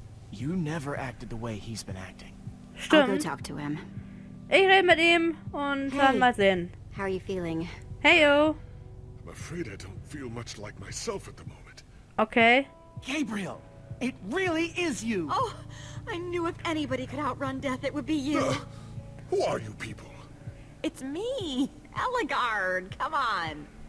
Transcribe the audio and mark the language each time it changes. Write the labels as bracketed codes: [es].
[en] You never acted the way he's been acting. [de] Stimmt. [en] I'll go talk to him. [de] Ich rede mit ihm und dann mal sehen. [en] How are you feeling? Heyo. I'm afraid I don't feel much like myself at the moment. Okay. Gabriel, it really is you. Oh, I knew if anybody could outrun death, it would be you. Who are you people? It's me, Eligard. Come on.